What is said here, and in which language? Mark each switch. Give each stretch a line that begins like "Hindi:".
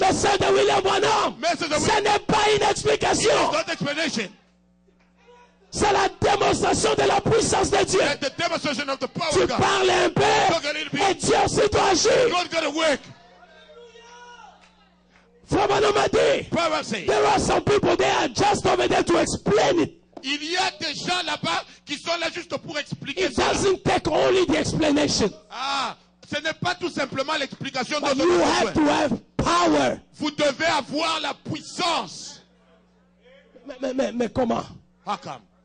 French: Le message de William Branham, ce n'est pas une explication.
English: It is not an explanation.
French: C'est la démonstration de la puissance de Dieu.
English: The demonstration of the power
French: tu
English: of God.
French: Parles un peu, et Dieu aussi doit agir.
English: God got to work.
French: Frère m'a dit,
English: Prophecy. There are some people there just over there to explain it.
French: Il y a des gens là-bas qui sont là juste pour expliquer.
English: It doesn't take only the explanation.
French: Ah, ce n'est pas tout simplement l'explication.
English: But you have to have power.
French: Vous devez avoir la puissance. Mais comment?
English: How come?